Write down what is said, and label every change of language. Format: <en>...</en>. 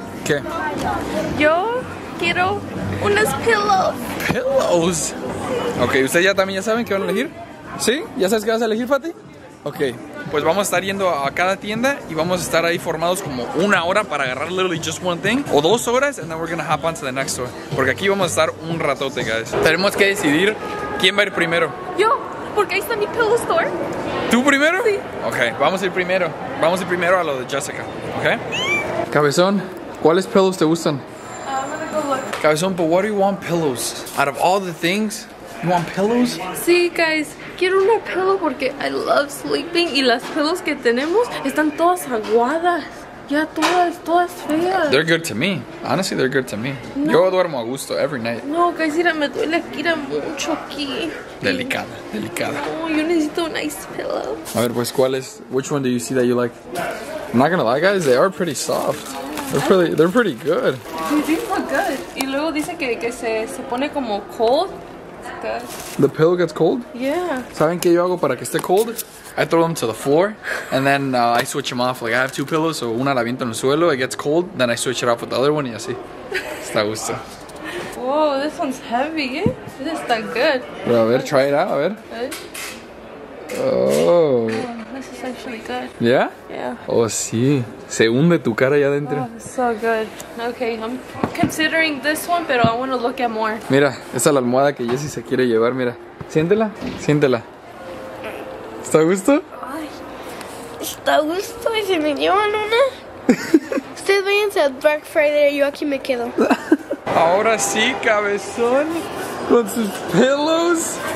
<es>¿Qué? Yo quiero unas pillows.</es> <en>¿Pillows?</en> <es>Sí. Ok, ¿ustedes ya también ya saben qué van a elegir? ¿Sí? ¿Ya sabes qué vas a elegir, Fati? Ok. Pues vamos a estar yendo a cada tienda y vamos a estar ahí formados como una hora para agarrar</es> <en>literally just one thing.</en> <es>O dos horas,</es> <en>and then we're gonna hop on to the next one.</en> <es>Porque aquí vamos a estar un ratote, guys. Tenemos que decidir quién va a ir primero. Yo, porque ahí está mi pillow store. ¿Tú primero? Sí. Ok, vamos a ir primero. Vamos a ir primero a lo de Jessica, ok? Cabezón, ¿cuáles pillows te gustan?</es> <en>I'm gonna go look. Cabezón, but what do you want pillows? Out of all the things, you want pillows?</en> <es>Sí, guys. Quiero una pillow porque</es> <en>I love sleeping.</en> <es>Y las pillows que tenemos están todas aguadas. Ya todas feas.</es> <en>They're good to me. Honestly, they're good to me. No.</en> <es>Yo duermo a gusto</es> <en>every night.</en> <es>No, guys, mira, me duele aquí, era mucho aquí. Delicada, delicada. No, yo necesito una nice pillow. A ver, pues, ¿cuál es?</es> <en>Which one do you see that you like? I'm not gonna lie, guys, they are pretty soft. They're pretty good. They do look good.</en> <es>Y luego dice que se pone como cold.</es> <en>The pillow gets cold? Yeah.</en> <es>¿Saben qué yo hago para que esté cold?</es> <en>I throw them to the floor and then I switch them off. Like I have two pillows, so</en> <es>una la aviento en el suelo,</es> <en>it gets cold, then I switch it off with the other one</en> <es>y así. Está a gusto.</es> <en>Whoa, this one's heavy. This is that good.</en> <es>Pero a ver,</es> <en>try it out,</en> <es>a ver. Oh.</es> <en>This is actually good. Yeah? Yeah.</en> <es>Oh, sí. Se hunde tu cara allá adentro.</es> <en>Oh, so good. Okay, I'm considering this one, pero I want to look at more.</en> <es>Mira, esa es la almohada que Jessie se quiere llevar, mira. Siéntela, siéntela. ¿Está a gusto? Ay, está a gusto y se me llevan una. Ustedes váyanse a Black Friday, yo aquí me quedo. Ahora sí, cabezón, con sus pillows.</es>